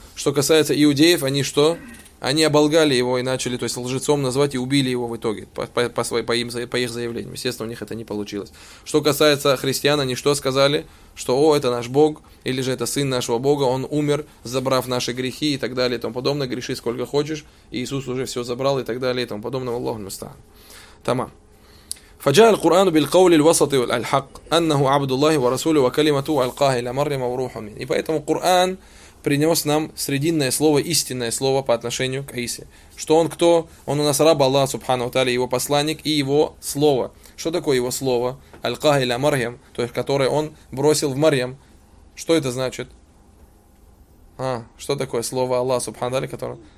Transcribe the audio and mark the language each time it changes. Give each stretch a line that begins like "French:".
Russian: Что касается иудеев, они что? Они оболгали его и начали, то есть, лжецом назвать и убили его в итоге по их заявлениям. Естественно, у них это не получилось. Что касается христиан, они что сказали? Что, о, это наш Бог, или же это сын нашего Бога, он умер, забрав наши грехи и так далее и тому подобное. Греши сколько хочешь, и Иисус уже все забрал и так далее и тому подобное. Аллаху мустаан. Тамам.
Arabic: فجاء القرآن بالقول الوسط والحق أنه عبد الله ورسوله وكلمته ألقاها إلى مريم وروح منه.
Russian: И поэтому Коран принес нам срединное слово, истинное слово по отношению к Исе. Что он кто? Он у нас раб Аллаха Субханаху ва Тааля, его посланник и его слово. Что такое его слово?
Arabic: ألقاها إلى مريم,
Russian: то есть которое он бросил в Марьям. Что это значит? А, что такое слово Аллаха Субханаху ва Тааля, которое?